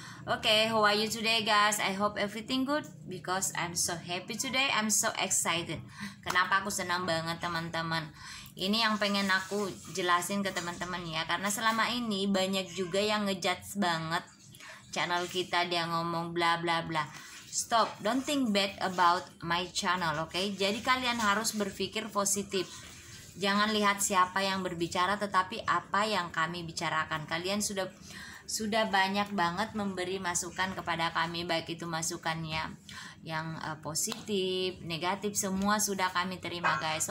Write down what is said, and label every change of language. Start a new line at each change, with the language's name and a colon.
English: Okay, how are you today guys? I hope everything good because I'm so happy today. I'm so excited.
Indonesian: Kenapa aku senang banget teman-teman? Ini yang pengen aku jelasin ke teman-teman ya. Karena selama ini banyak juga yang ngejudge banget channel kita, dia ngomong bla bla bla.
English: Stop, don't think bad about my channel, okay?
Indonesian: Jadi kalian harus berpikir positif. Jangan lihat siapa yang berbicara, tetapi apa yang kami bicarakan. Kalian sudah banyak banget memberi masukan kepada kami, baik itu masukannya yang positif, negatif, semua sudah kami terima guys.